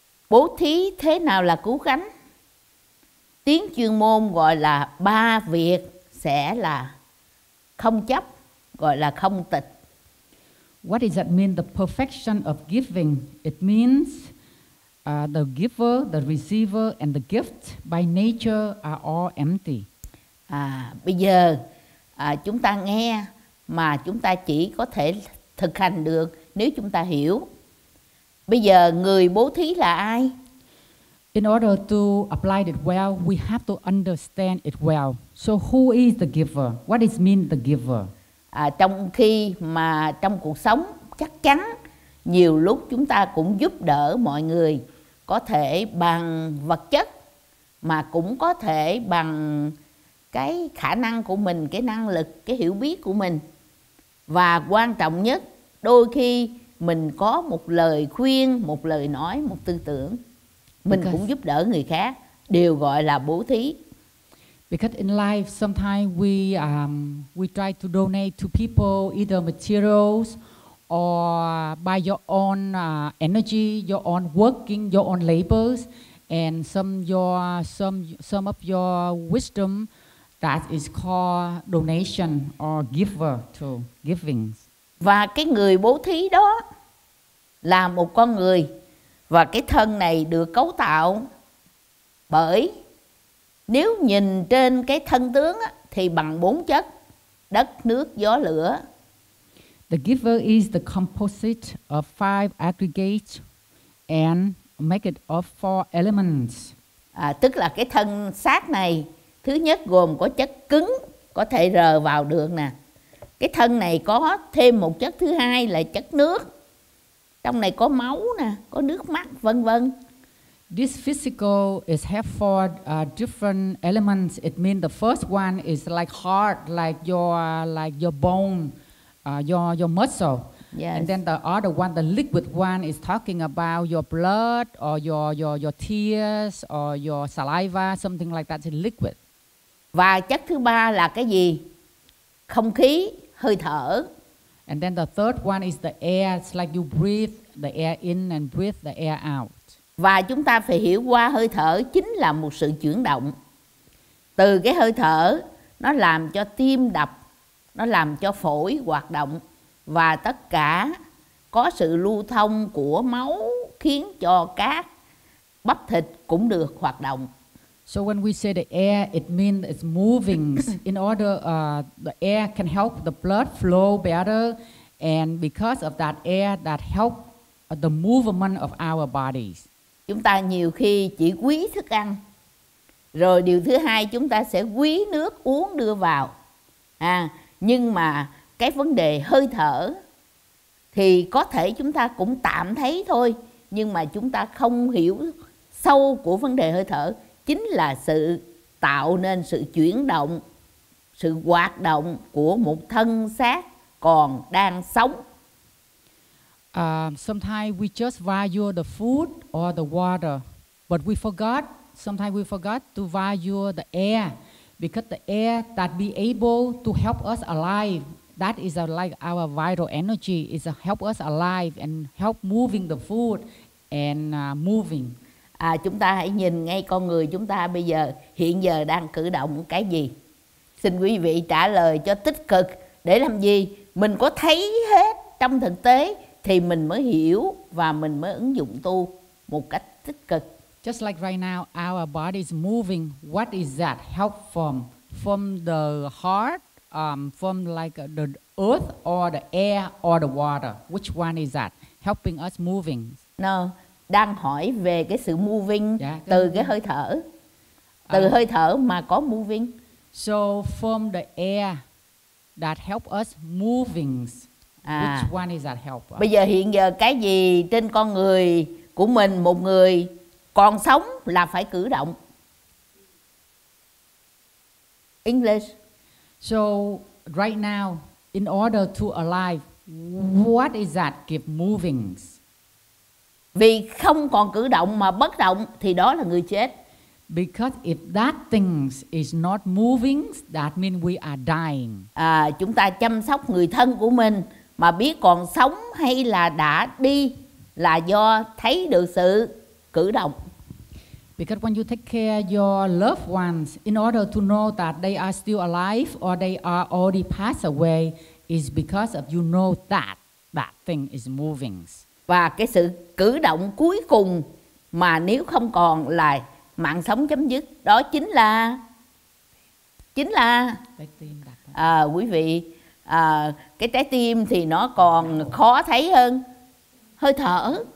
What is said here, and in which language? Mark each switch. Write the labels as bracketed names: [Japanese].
[Vietnamese] Bố thí thế nào là cứu cánh? Tiếng chuyên môn gọi là ba việc sẽ là không chấp, gọi là không tịch. [English] What does that mean, the perfection of giving? It means the giver, the receiver and the gift by nature are all empty. [Vietnamese] Bây giờ chúng ta nghe mà chúng ta chỉ có thể thực hành được nếu chúng ta hiểu. Bây giờ người bố thí là ai? [English] In order to apply it well, we have to understand it well. So who is the giver? What does it mean the giver? [Vietnamese] Trong khi mà trong cuộc sống chắc chắn nhiều lúc chúng ta cũng giúp đỡ mọi người, có thể bằng vật chất mà cũng có thể bằng cái khả năng của mình, cái năng lực, cái hiểu biết của mình. Và quan trọng nhất, đôi khi mình có một lời khuyên, một lời nói, một tư tưởng, mình cũng giúp đỡ người khác, đều gọi là bố thí. [English] Because in life, sometimes we try to donate to people either materials or by your own energy, your own working, your own labors, and some of your wisdom. That is called donation or giver to giving. [Vietnamese] Và cái người bố thí đó là một con người, và cái thân này được cấu tạo bởi, nếu nhìn trên cái thân tướng thì bằng bốn chất: đất, nước, gió, lửa. [English] The giver is the composite of five aggregates and make it of four elements. [Vietnamese] Tức là cái thân xác này, thứ nhất gồm có chất cứng, có thể rờ vào được nè. Cái thân này có thêm một chất thứ hai là chất nước. Trong này có máu nè, có nước mắt, vân vân. [English] This physical is have four different elements. It means the first one is like heart, like your bone, your muscle. Yes. And then the other one, the liquid one, is talking about your blood or your tears or your saliva, something like that, is liquid. [Vietnamese] Và chất thứ ba là cái gì? Không khí, hơi thở. [English] And then the third one is the air. It's like you breathe the air in and breathe the air out. [Vietnamese] Và chúng ta phải hiểu qua hơi thở chính là một sự chuyển động. Từ cái hơi thở, nó làm cho tim đập, nó làm cho phổi hoạt động. Và tất cả có sự lưu thông của máu khiến cho các bắp thịt cũng được hoạt động. [English] So when we say the air, it means it's moving. In order, the air can help the blood flow better. And because of that air, that help the movement of our bodies. [Vietnamese] Chúng ta nhiều khi chỉ quý thức ăn, rồi điều thứ hai chúng ta sẽ quý nước uống đưa vào. Nhưng mà cái vấn đề hơi thở thì có thể chúng ta cũng tạm thấy thôi, nhưng mà chúng ta không hiểu sâu của vấn đề hơi thở, chính là sự tạo nên sự chuyển động, sự hoạt động của một thân xác còn đang sống. [English] Sometimes we just value the food or the water, but sometimes we forgot to value the air, because the air that be able to help us alive, that is like our vital energy, is help us alive and help moving the food and moving. [Vietnamese] Chúng ta hãy nhìn ngay con người chúng ta bây giờ, hiện giờ đang cử động cái gì? Xin quý vị trả lời cho tích cực, để làm gì? Mình có thấy hết trong thực tế thì mình mới hiểu và mình mới ứng dụng tu một cách tích cực. [English] Just like right now, our body is moving. What is that help from? From the heart from like the earth or the air or the water, which one is that helping us moving? No, [Vietnamese] đang hỏi về cái sự moving từ cái hơi thở, từ hơi thở mà có moving. [English] So from the air that help us moving, which one is that help us? [Vietnamese] Bây giờ hiện giờ cái gì trên con người của mình, một người còn sống là phải cử động. [English] English. So right now, in order to alive, what is that keep moving? [Vietnamese] Vì không còn cử động mà bất động thì đó là người chết. [English] Because if that things is not moving, that means we are dying. [Vietnamese] À, chúng ta chăm sóc người thân của mình mà biết còn sống hay là đã đi là do thấy được sự cử động. [English] Because when you take care of your loved ones, in order to know that they are still alive or they are already passed away, is because of you know that that thing is moving. [Vietnamese] Và cái sự cử động cuối cùng mà nếu không còn là mạng sống chấm dứt, đó chính là quý vị, cái trái tim thì nó còn khó thấy hơn hơi thở.